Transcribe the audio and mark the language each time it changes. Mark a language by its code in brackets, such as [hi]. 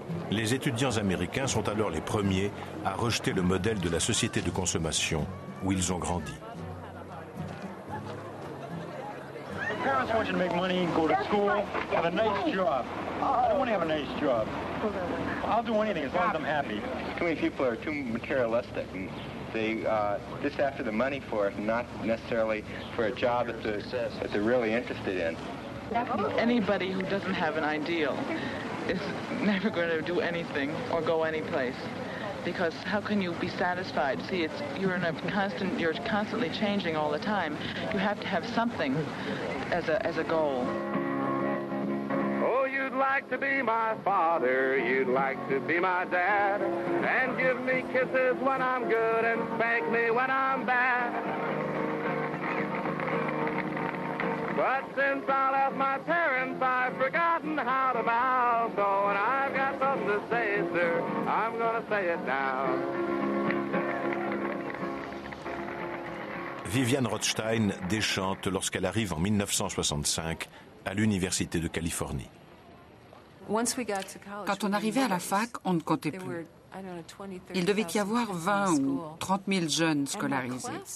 [fr] Les étudiants américains sont alors les premiers à rejeter le modèle de la société de consommation où ils ont grandi. [en] I want you to make money and go to school, have a nice job. I don't want to have a nice job. I'll do anything as long as I'm happy. Too many people are too materialistic, and they just after the money for it, not necessarily for a job that they're really interested in. Anybody who doesn't have an ideal is never going to do anything or go anyplace. because how can you be satisfied? See, it's you're constantly changing all the time. You have to have something as a goal. Oh, you'd like to be my father, you'd like to be my dad, and give me kisses when I'm good and spank me when I'm bad. But since I left my parents, I've forgotten how to bow. So when I've got something to say, sir, I'm gonna say it now. [fr] Vivian Rothstein déchante lorsqu'elle arrive en 1965 à l'Université de Californie. Quand on arrivait à la fac, on ne comptait plus. Il devait y avoir 20 ou 30 000 jeunes scolarisés.